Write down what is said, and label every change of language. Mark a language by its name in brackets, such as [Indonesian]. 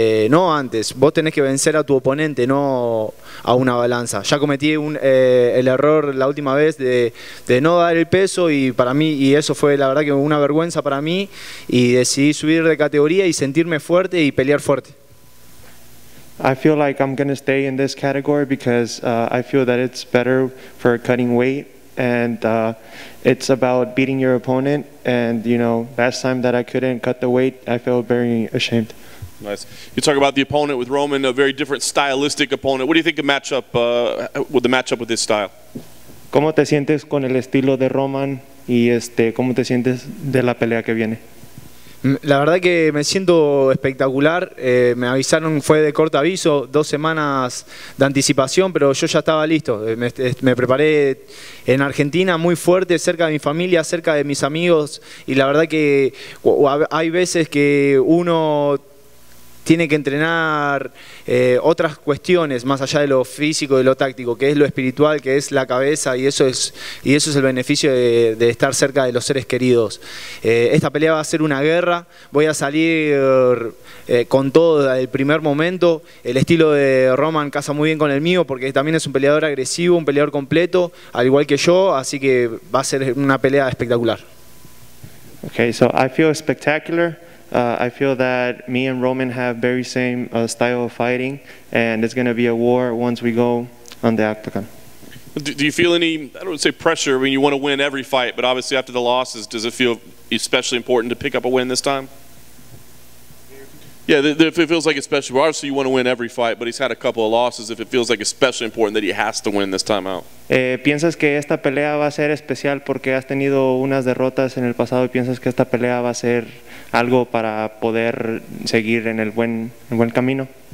[Spanish] No antes, vos tenés que vencer a tu oponente, no a una balanza. Ya cometí el error la última vez de no dar el peso, y para mí, y eso fue la verdad que una vergüenza para mí, y decidí subir de categoría y sentirme fuerte y pelear fuerte. [English] I feel like I'm going to stay in this category because I feel that it's better for cutting weight, and it's about beating your opponent, and you know, last time that I couldn't cut the weight, I felt very ashamed. Nice. You talk about the opponent with Roman, a very different stylistic opponent. What do you think of the matchup with his style? [Spanish] ¿Cómo te sientes con el estilo de Roman y cómo te sientes de la pelea que viene? La verdad que me siento espectacular. Me avisaron, fue de corto aviso, 2 semanas de anticipación, pero yo ya estaba listo. Me preparé en Argentina muy fuerte, cerca de mi familia, cerca de mis amigos, y la verdad que hay veces que uno tiene que entrenar otras cuestiones más allá de lo físico y lo táctico, que es lo espiritual, que es la cabeza, y eso es el beneficio de estar cerca de los seres queridos. Esta pelea va a ser una guerra. Voy a salir con todo desde el primer momento. El estilo de Roman casa muy bien con el mío, porque también es un peleador agresivo, un peleador completo, al igual que yo, así que va a ser una pelea espectacular. [English] Okay, so I feel spectacular. I feel that me and Roman have very same style of fighting, and it's going to be a war once we go on the octagon. Do you feel any, I don't say pressure, I mean you want to win every fight, but obviously after the losses, does it feel especially important to pick up a win this time? Yeah, if it feels like especially, obviously you want to win every fight, but he's had a couple of losses, if it feels like especially important that he has to win this time out. [Spanish] ¿Piensas que esta pelea va a ser especial porque has tenido unas derrotas en el pasado, y piensas que esta pelea va a ser algo para poder seguir en el buen camino?